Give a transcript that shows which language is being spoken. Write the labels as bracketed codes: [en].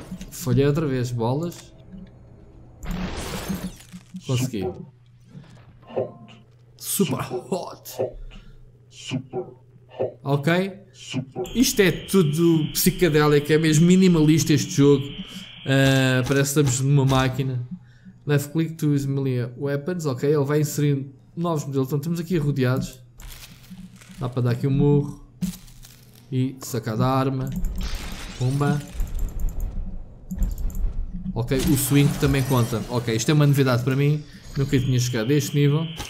[pt] Falhei outra vez. Bolas. Consegui. [en] Super hot. Super hot. Super Ok? [pt] Isto é tudo psicadélico, é mesmo minimalista este jogo. Parece que estamos numa máquina. [en] Left click to use melee weapons. [pt] Ok, ele vai inserindo novos modelos. Então estamos aqui rodeados. Dá para dar aqui um murro. E sacar da arma. Pumba. Ok, o swing também conta. Ok, isto é uma novidade para mim. Nunca tinha chegado a este nível.